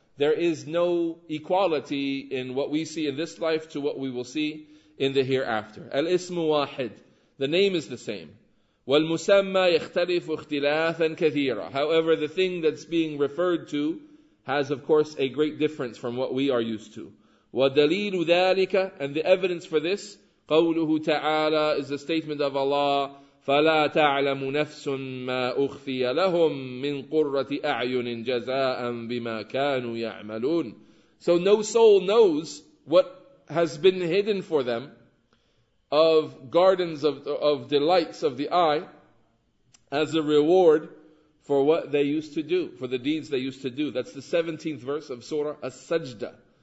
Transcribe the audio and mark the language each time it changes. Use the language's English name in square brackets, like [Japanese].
[English] There is no equality in what we see in this life to what we will see in the hereafter. [Arabic] Al-ismu wahid. [English] The name is the same. [Arabic] Wal-musamma yakhtalifu ikhtilafan kathira. [English] However, the thing that's being referred to has, of course, a great difference from what we are used to. [Arabic] Wa-dalilu dhalika. [English] And the evidence for this, [Arabic] qawluhu ta'ala, [English] is the statement of Allah, [Arabic] فَلَا تَعْلَمُ نَفْسٌ مَا أُخْفِيَ لَهُمْ مِنْ قُرَّةِ أَعْيُنٍ جَزَاءً بِمَا كَانُوا يَعْمَلُونَ. [English] So no soul knows what has been hidden for them of gardens of delights of the eye as a reward for what they used to do, for the deeds they used to do. That's the 17th verse of Surah As-Sajda.